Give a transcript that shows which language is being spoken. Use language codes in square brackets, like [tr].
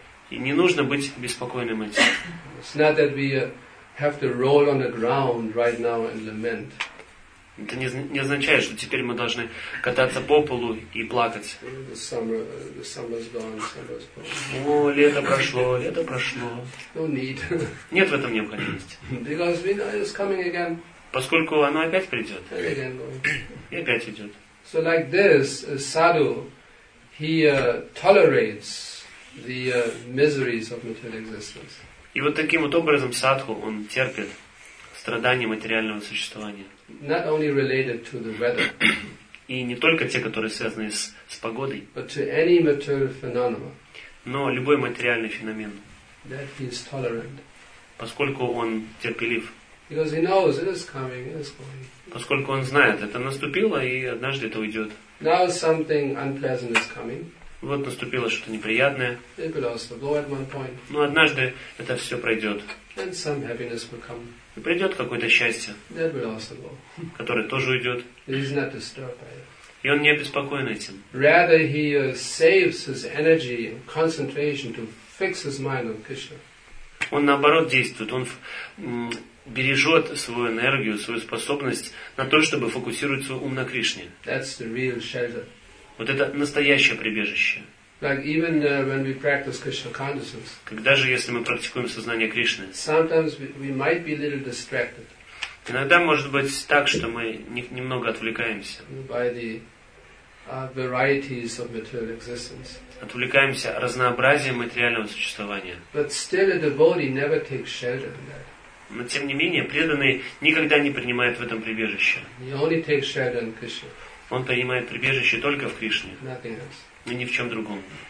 [ru] И не нужно быть беспокойным этим. Это не означает, что теперь мы должны кататься по полу и плакать. [en] The summer's gone. [ru] О, лето прошло, лето прошло. [en] No need. [ru] Нет в этом необходимости. [en] It's coming again. [ru] Поскольку оно опять придет. [en] And again going. [ru] И опять идет. [en] So like this, sadhu, he tolerates the miseries of material existence. [ru] И вот таким вот образом садху он терпит страдания материального существования. [en] Not only related to the weather. [ru] И не только те, которые связаны с погодой. [en] But to any material phenomena. [ru] Но любой материальный феномен. [en] That he is tolerant. [ru] Поскольку он терпелив. [en] Because he knows it is coming, it is going. [ru] Поскольку он знает, это наступило и однажды это уйдет. [en] Now something unpleasant is coming. [ru] Вот наступило что-то неприятное. [en] It will also go at one point. [ru] Но однажды это все пройдет. [en] And some happiness will come. [ru] И придет какое-то счастье, [en] that will also go. [ru] Которое тоже уйдет. [en] It is not disturbed by it. [ru] И он не обеспокоен этим. [en] Rather he saves his energy and concentration to fix his mind on Krishna. [ru] Он наоборот действует. Он бережет свою энергию, свою способность на то, чтобы фокусировать свой ум на Кришне. [en] That's the real shelter. [ru] Вот это настоящее прибежище. [en] Like even when we practice Krishna consciousness. [ru] Когда же, если мы практикуем сознание Кришны? [en] Sometimes we might be a little distracted. [ru] Иногда может быть так, что мы немного отвлекаемся. [en] By the varieties of material existence. [ru] Отвлекаемся разнообразием материального существования. [en] But still a devotee never takes shelter in that. [ru] Но тем не менее, преданный никогда не принимает в этом прибежище. Он принимает прибежище только в Кришне. И ни в чем другом.